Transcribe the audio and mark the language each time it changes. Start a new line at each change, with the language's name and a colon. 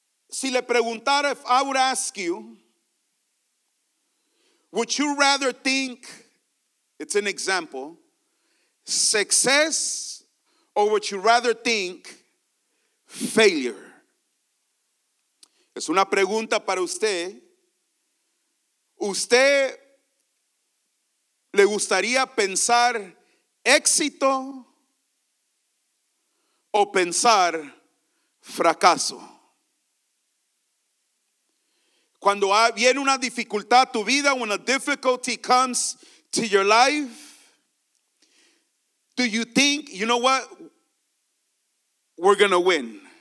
Spanish: Si le preguntara,
English: if I would ask you, would you rather think, it's an example, success, or would you rather think failure?
Spanish: Es una pregunta para usted. ¿Usted le gustaría pensar éxito o pensar fracaso? Cuando viene una dificultad a tu vida,
English: when a difficulty comes to your life, do you think, you know what, we're going to win?